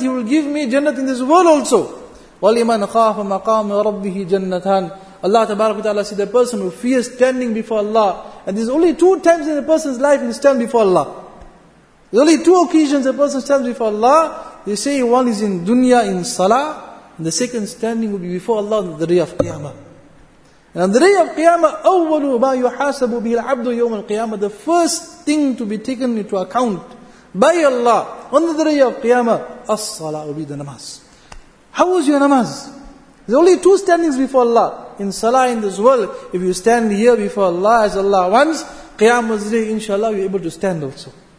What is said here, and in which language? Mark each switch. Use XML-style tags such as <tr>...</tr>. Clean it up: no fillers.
<en>He will give me jannat in this world also.</en> <ar>وَلِمَنْ خَافَ مَقَامِ رَبِّهِ جَنَّتَانِ.</ar> <en>Allah tabarak wa ta'ala said, the person who fears standing before Allah. And there's only 2 times in a person's life he stands before Allah. There's only 2 occasions a person stands before Allah. They say one is in dunya in salah. And the second standing will be before Allah on the day of qiyamah. And on the day of qiyamah,</en> <ar>أَوَّلُ مَا يُحَاسَبُ بِهِ الْعَبْدُ يَوْمَ الْقِيَامَةِ.</ar> <en>The first thing to be taken into account by Allah on the day of qiyamah, as-salah will be the namaz. How was your namaz? There's only 2 standings before Allah. In salah in this world, if you stand here before Allah as Allah wants, qiyamah's day, inshallah, you're able to stand also.</en>